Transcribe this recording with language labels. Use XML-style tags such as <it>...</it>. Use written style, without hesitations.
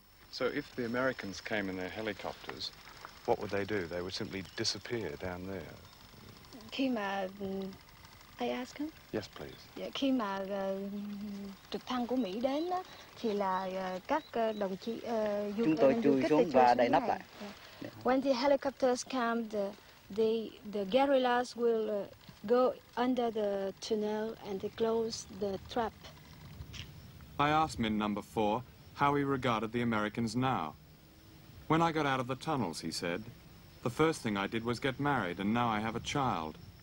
<en>So if the Americans came in their helicopters, what would they do? They would simply disappear down there.</en> <vi>Khi mà</vi> <en>I ask him? Yes, please.</en> <vi>Yeah, khi mà trực thăng của Mỹ đến đó, thì là các đồng chí chúng tôi chui xuống và đậy nắp lại.</vi> <en>When the helicopters come, the guerrillas will go under the tunnel and they close the trap. I asked Min number four how he regarded the Americans now. When I got out of the tunnels, he said, the first thing I did was get married, and now I have a child.</en>